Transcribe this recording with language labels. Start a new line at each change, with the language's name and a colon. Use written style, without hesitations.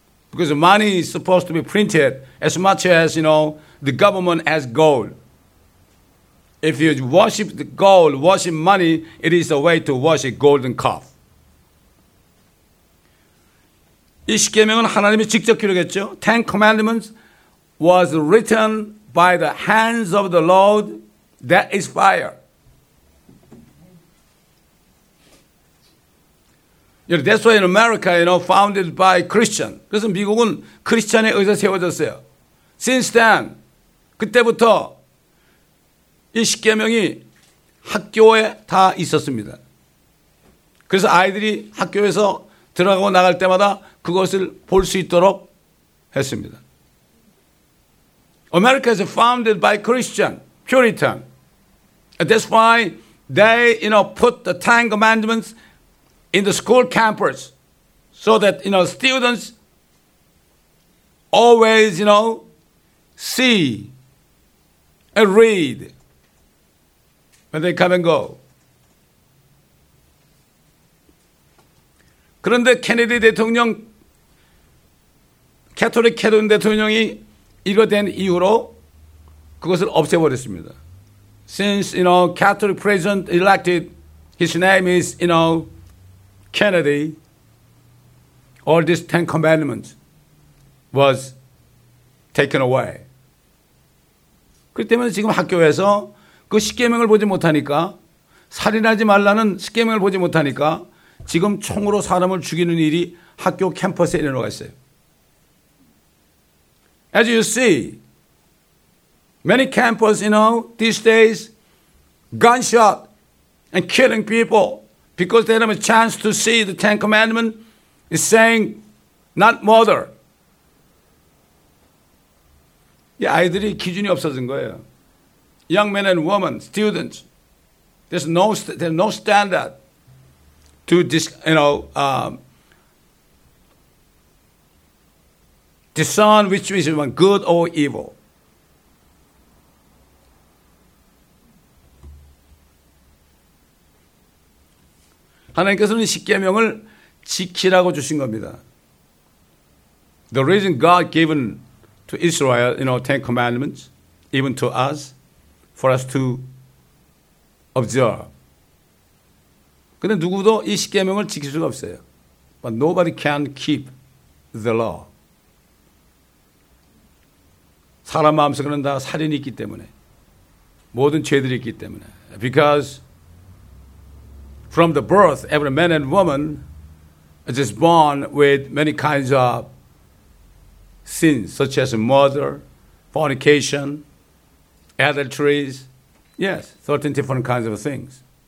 English: Because money is supposed to be printed as much as, you know, the government has gold. If you worship the gold, worship money, it is a way to worship golden calf.
Korean: 이 십계명은 하나님이 직접 기록했죠.
English: Ten Commandments was written by the hands of the Lord that is fire. You know, that's why in America, you know, founded by Christian.
Korean: 그래서 미국은 크리스천에 의해서 세워졌어요.
English: Since then,
Korean: 그때부터 이 십계명이 학교에 다 있었습니다. 그래서 아이들이 학교에서 들어가고 나갈 때마다 그것을 볼 수 있도록 했습니다.
English: America is founded by Christian, Puritan. That's why they, you know, put the Ten Commandments in the school campus, so that, you know, students always, you know, see and read when they come and go.
Korean: 그런데 케네디 대통령, 캐토릭 케네디 대통령이 이거 된 이후로 그것을 없애버렸습니다.
English: Since, you know, Catholic president elected, his name is, you know, Kennedy, all these Ten Commandments was taken away.
Korean: 그렇기 때문에 지금 학교에서 그 십계명을 보지 못하니까 살인하지 말라는 십계명을 보지 못하니까 지금 총으로 사람을 죽이는 일이 학교 캠퍼스에 일어나고 있어요.
English: As you see, many campuses, you know, these days, gunshot and killing people. Because they have a chance to see the Ten Commandments is saying, not murder.
Korean: 이 아이들이 기준이 없어진 거예요.
English: Young men and women, students, there's no standard to discern which is good or evil.
Korean: 하나님께서는 십계명을 지키라고 주신 겁니다.
English: The reason God given to Israel, you know, Ten Commandments, even to us, for us to observe.
Korean: 근데 누구도 이 십계명을 지킬 수가 없어요.
English: But nobody can keep the law.
Korean: 사람 마음속에는 다 살인이 있기 때문에, 모든 죄들이 있기 때문에.
English: Because from the birth, every man and woman just born with many kinds of sins, such as murder, fornication, adulteries. Yes, 13 different kinds of things.